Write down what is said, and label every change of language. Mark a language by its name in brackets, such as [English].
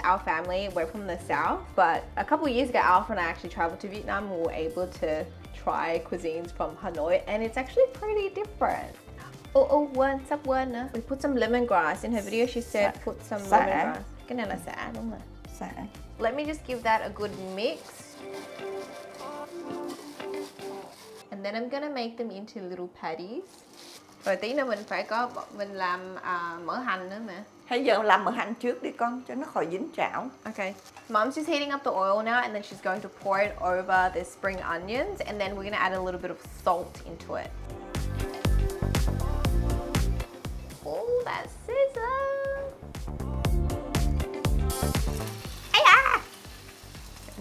[English] Our family, we're from the south, but a couple of years ago, Alpha and I actually traveled to Vietnam and we were able to try cuisines from Hanoi, and it's actually pretty different. Oh, what's up, Werner? We put some lemongrass. In her video, she said put some lemongrass. [Vietnamese] Cái này là xả, đúng không? Xả. [English] Let me just give that a good mix. And then I'm gonna make them into little patties. [Vietnamese] Rồi tí nữa mình phải có mình làm mỡ hành nữa mà. Hay giờ làm mỡ hành trước đi con cho nó khỏi dính chảo. Okay. [English] Mom's just heating up the oil now and then she's going to pour it over the spring onions and then we're gonna add a little bit of salt into it. Oh, that sizzle. Hey-ya!